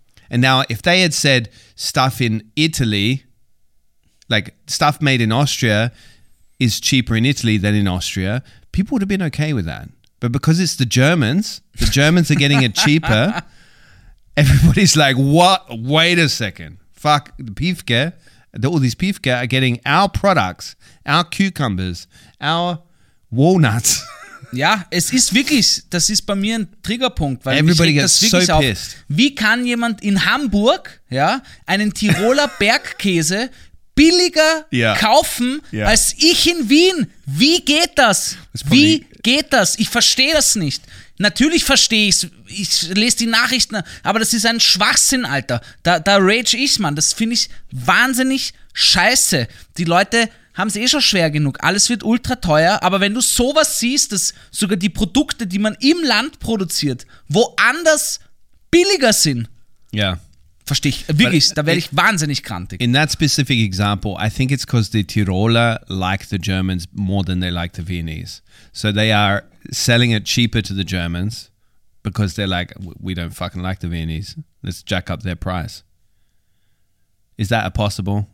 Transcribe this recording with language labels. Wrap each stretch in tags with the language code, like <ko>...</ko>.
<en>And now if they had said stuff in Italy, like stuff made in Austria is cheaper in Italy than in Austria, people would have been okay with that. But because it's the Germans are getting it cheaper. Everybody's like, what? Wait a second. Fuck, the Piefke, all these Piefke are getting our products, our cucumbers, our walnuts.</en> <de>Ja, es ist wirklich, das ist bei mir ein Triggerpunkt. Weil</de> <en>everybody gets so pissed.</en> <de>Auf. Wie kann jemand in Hamburg, ja, einen Tiroler Bergkäse billiger kaufen als ich in Wien? Wie geht das? Wie geht das? Ich verstehe das nicht. Natürlich verstehe ich es. Ich lese die Nachrichten, aber das ist ein Schwachsinn, Alter. Da rage ich, Mann. Das finde ich wahnsinnig scheiße. Die Leute haben es eh schon schwer genug. Alles wird ultra teuer. Aber wenn du sowas siehst, dass sogar die Produkte, die man im Land produziert, woanders billiger sind. Ja. Verstehe ich. Wirklich, da werde ich wahnsinnig krantig.</de> <en>In that specific example, I think it's because the Tiroler like the Germans more than they like the Viennese. So they are selling it cheaper to the Germans because they're like, we don't fucking like the Viennese. Let's jack up their price. Is that a possible?</en>